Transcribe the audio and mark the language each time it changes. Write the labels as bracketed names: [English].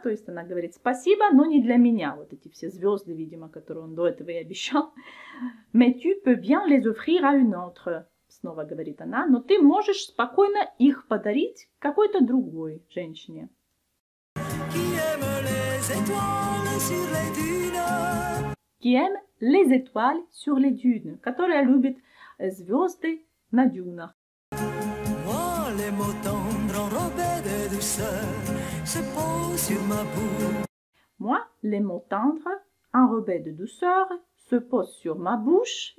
[Russian] То есть она говорит спасибо, но не для меня. Вот эти все звезды, видимо, которые он до этого и обещал. [French] Mais tu peux bien les offrir à une autre. [Russian] Снова говорит она, но ты можешь спокойно их подарить какой-то другой женщине. [French] Qui aime les étoiles sur les dunes. Qui aime les étoiles sur les dunes. [Russian] Которая любит звезды на дюнах. [French] Moi, les mots tendres enrobés de douceur se posent sur ma bouche. Moi, les mots tendres enrobés de douceur se posent sur ma bouche.